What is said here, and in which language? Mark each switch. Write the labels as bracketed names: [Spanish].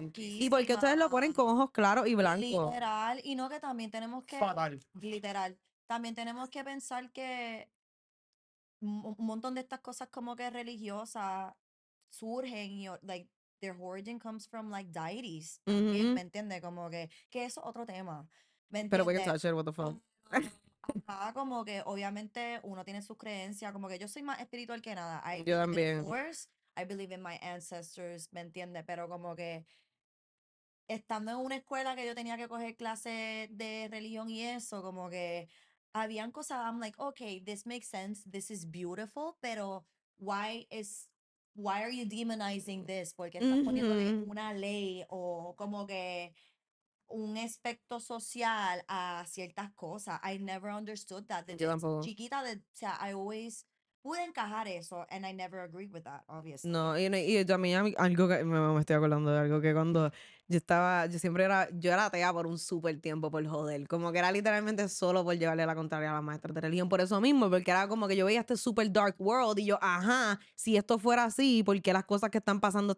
[Spanish] Y porque ustedes lo ponen con ojos claros y blancos. Literal. Y no, que también tenemos que... Fatal. Literal. También tenemos que pensar que un montón de estas cosas como que religiosas surgen y, [English] like, their origin comes from, like, deities. [Spanish] Mm-hmm. También, ¿me entiendes? Como que eso es otro tema. ¿Me entiendes? Pero [English] we can touch it, what the fuck. [Spanish] Acá, como que, obviamente, uno tiene sus creencias. Como que yo soy más espiritual que nada. Yo también. [English] I believe in my ancestors, [Spanish] ¿me entiendes? Pero como que, estando en una escuela que yo tenía que coger clases de religión y eso, como que, habían cosas, [English] I'm like, okay, this makes sense, this is beautiful, [Spanish] pero [English] why are you demonizing this? [Spanish] Porque estás poniendo una ley o como que un aspecto social a ciertas cosas. [English] I never understood that. [Spanish] Yo tampoco. Chiquita, de, o sea, [English] I always [Spanish] pude encajar eso, [English] and I never agreed with that, obviously. [Spanish] No, yo era atea por un súper tiempo, por joder. Como que era literalmente solo por llevarle la contraria a la maestra de religión. Por eso mismo, porque era como que yo veía este súper dark world y yo, ajá, si esto fuera así, ¿por qué las cosas que están pasando?